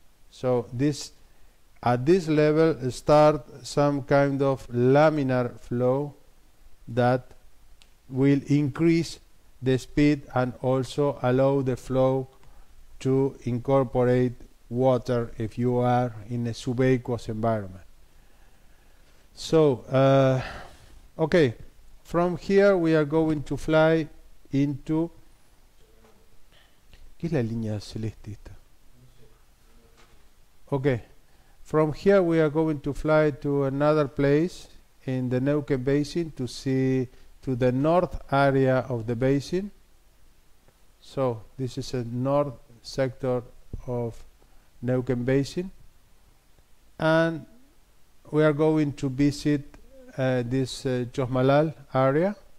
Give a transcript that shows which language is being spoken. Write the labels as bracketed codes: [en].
[en] So this, at this level, start some kind of laminar flow that will increase the speed and also allow the flow to incorporate water if you are in a subaqueous environment. So okay, from here we are going to fly into, [es] ¿qué es la línea celeste esta? [en] Okay, from here we are going to fly to another place in the Neuquén Basin to see to the north area of the basin. So this is a north sector of Neuquén Basin, and we are going to visit this Chosmalal area.